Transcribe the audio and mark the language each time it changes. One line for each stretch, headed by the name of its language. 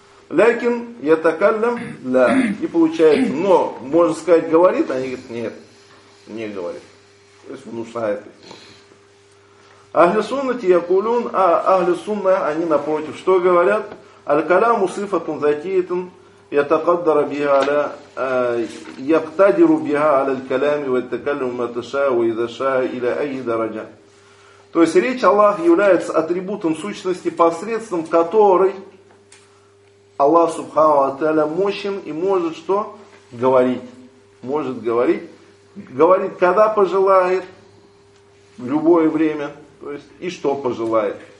Arabic: Лякин, я такалям,
Russian: да. И получается, но, можно сказать, говорит, они говорят, нет, не говорит. То есть внушает.
Arabic: Ахлюсунна тиякулюн,
Russian: а ахлюсунна, они напротив. Что говорят?
Arabic: Аль-каляму сифатун затиятун يتقدر بها على يقتدر بها على الكلام والتكلم ما تشاء وإذا شاء إلى أي درجة.
Russian: То есть речь Аллах является атрибутом сущности, посредством которой Аллах Субхану ва Тааля мощен и может что? Говорить. Может говорить. Говорит, когда пожелает, в любое время, то есть и что пожелает.